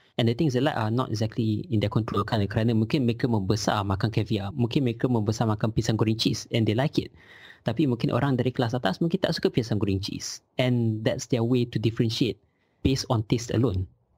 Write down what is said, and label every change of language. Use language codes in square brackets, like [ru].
[en] And the things they like are not exactly in their control, [ms] kan. Kerana mungkin mereka membesar makan caviar, mungkin mereka membesar makan pisang goreng cheese [en] and they like it. [ms] Tapi mungkin orang dari kelas atas mungkin tak suka pisang goreng cheese. [en] And that's their way to differentiate based on taste alone.